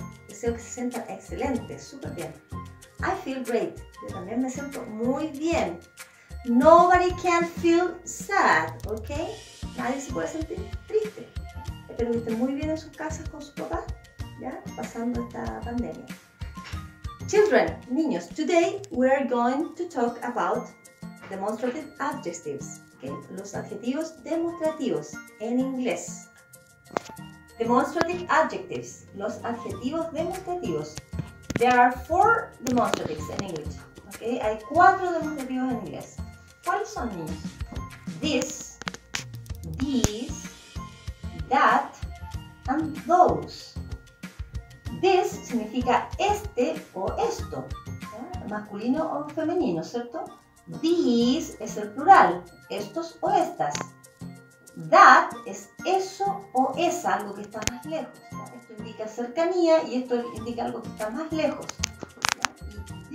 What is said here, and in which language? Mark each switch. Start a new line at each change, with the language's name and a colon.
Spanish: Deseo que se sientan excelente, súper bien.
English: I feel great.
Spanish: Yo también me siento muy bien.
English: Nobody can feel sad,
Spanish: ¿ok? Nadie se puede sentir triste. Espero que estén muy bien en sus casas con su papá, ¿ya? Pasando esta pandemia.
English: Children, niños, today we are going to talk about demonstrative adjectives, okay?
Spanish: Los adjetivos demostrativos en inglés.
English: Demonstrative adjectives,
Spanish: los adjetivos demostrativos.
English: There are four demonstratives in English, okay?
Spanish: Hay cuatro demostrativos en inglés. ¿Cuáles son, niños?
English: This, these, that, and those.
Spanish: This significa este o esto, ¿ya? Masculino o femenino, ¿cierto? These es el plural, estos o estas. That es eso o esa, algo que está más lejos, ¿ya? Esto indica cercanía y esto indica algo que está más lejos, ¿ya?